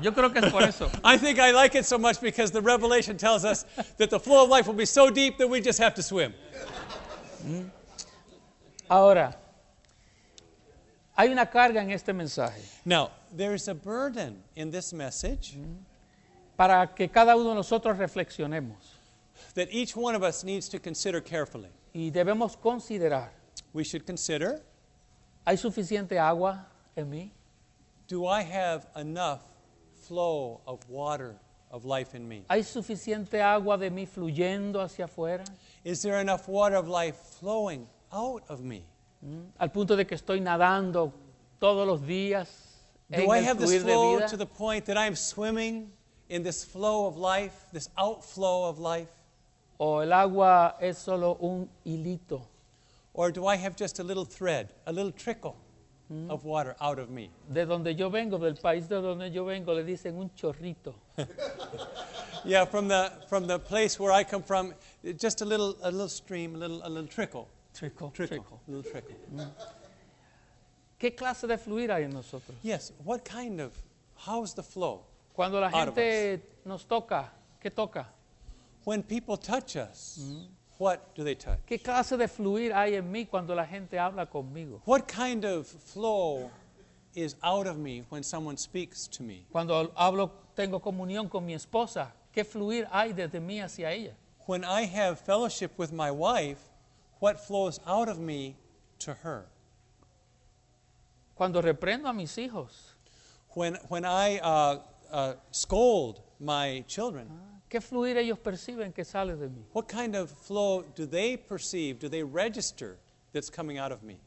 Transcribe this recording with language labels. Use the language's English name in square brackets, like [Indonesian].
[Spanish] Yo creo que es por eso. [English] I think I like it so much because the revelation tells us that the flow of life will be so deep that we just have to swim. [Spanish] Ahora, hay una carga en este mensaje. [English] Now, there is a burden in this message. [Spanish] Para que cada uno de nosotros reflexionemos. [English] That each one of us needs to consider carefully. [Spanish] Y debemos considerar. [English] We should consider. [Spanish] ¿Hay suficiente agua en mí? [English] Do I have enough flow of water of life in me? [Spanish] ¿Hay suficiente agua de mí fluyendo hacia afuera? [English] Is there enough water of life flowing out of me? [Spanish] Al punto de que estoy nadando todos los días en el fluir de vida. [English] Do I have this flow to the point that I'm swimming in this flow of life, this outflow of life? [Spanish] ¿O el agua es solo un hilito? [English] Or do I have just a little thread, a little trickle of water out of me? [Spanish] De donde yo vengo, del país de donde yo vengo, le dicen un chorrito. [English] Yeah, from the place where I come from, just a little stream, a little trickle. Trickle. Little trickle. [Spanish] ¿Qué clase de fluir hay en nosotros? [English] Yes, what kind of, how's the flow? [Spanish] Cuando la gente nos toca, ¿qué toca? [English] When people touch us, what do they touch? [Spanish] ¿Qué clase de fluir hay en mí cuando la gente habla conmigo? [English] What kind of flow is out of me when someone speaks to me? [Spanish] Cuando hablo, tengo comunión con mi esposa, ¿qué fluir hay desde mí hacia ella? [English] When I have fellowship with my wife, what flows out of me to her? [Spanish] Cuando reprendo a mis hijos. [English] When I scold my children. [Spanish] ¿Qué fluir ellos perciben que sale de mí? [English] What kind of flow do they perceive, do they register that's coming out of me?